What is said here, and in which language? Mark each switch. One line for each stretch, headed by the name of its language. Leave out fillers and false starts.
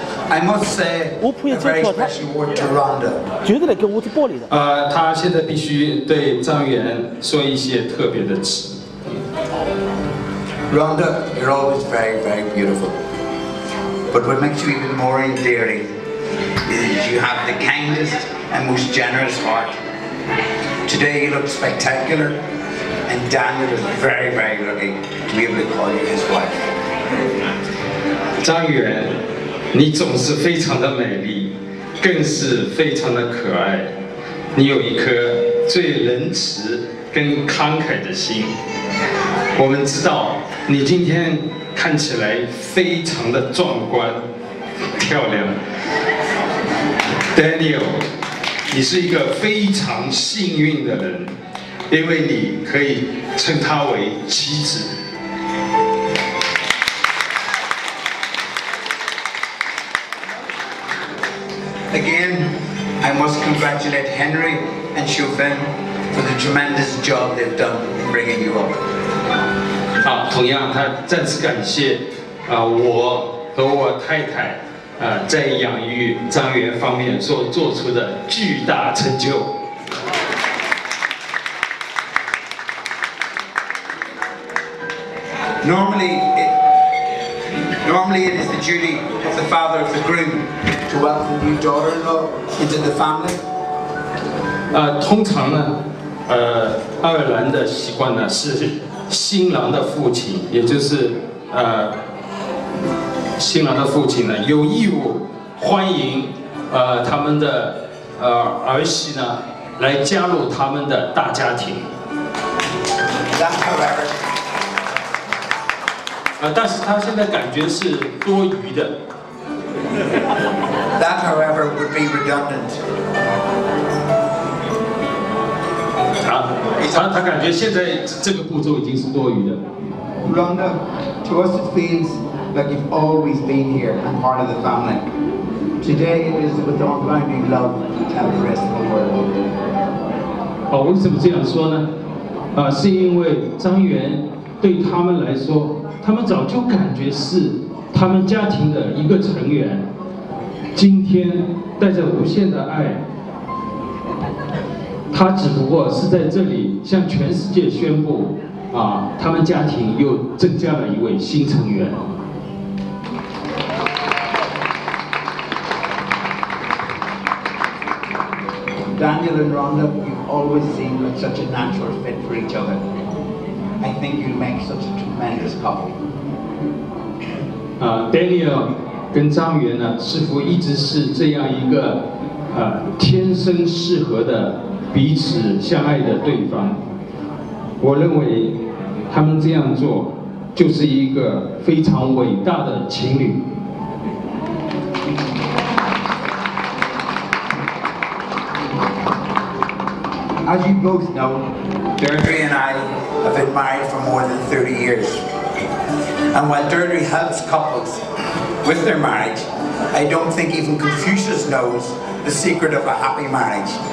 English: I must say, a very special word to Rhonda.
Chinese: 绝对的跟乌兹玻璃的。他现在必须对张元说一些特别的词。
English: Rhonda, you're always very, very beautiful. But what makes you even more endearing is you have the kindest and most generous heart. Today you look spectacular, and Daniel is very, very lucky to be able to call you his wife.
Chinese: 张元。你总是非常的美丽，更是非常的可爱。你有一颗最仁慈跟慷慨的心。我们知道你今天看起来非常的壮观漂亮。 Daniel， 你是一个非常幸运的人，因为你可以称她为妻子。
English: Again, I must congratulate Henry and Chauvin for the tremendous job they've done in bringing you up.
Chinese: 同样，他再次感谢我和我太太在养育张元方面所做出的巨大成就。
English: Normally, it is the duty of the father of the groom. To welcome your daughter-in-law into the family.
Chinese: 通常呢，爱尔兰的习惯呢是新郎的父亲，也就是新郎的父亲呢有义务欢迎他们的儿媳呢来加入他们的大家庭。
English: That's correct.
Chinese: 但是他现在感觉是多余的。
English: That, however, would be redundant.
Chinese: 他感觉现在这个步骤已经是多余的。
English: Rhonda, to us it feels like you've always been here and part of the family. Today it is with unbounded love to tell the rest of the world.
Chinese: 为什么这样说呢？是因为张元对他们来说，他们早就感觉是他们家庭的一个成员。今天带着无限的爱，他只不过是在这里向全世界宣布，他们家庭又增加了一位新成员。
English: Daniel and Rhonda, you've always seemed like such a natural fit for each other. I think you'll make such a tremendous couple. Daniel.
Chinese: 跟张元呢，似乎一直是这样一个，天生适合的彼此相爱的对方。我认为他们这样做就是一个非常伟大的情侣。
English: As you both know, Deirdre and I have been married for more than 30 years. And while Deirdre helps couples. With their marriage, I don't think even Confucius knows the secret of a happy marriage.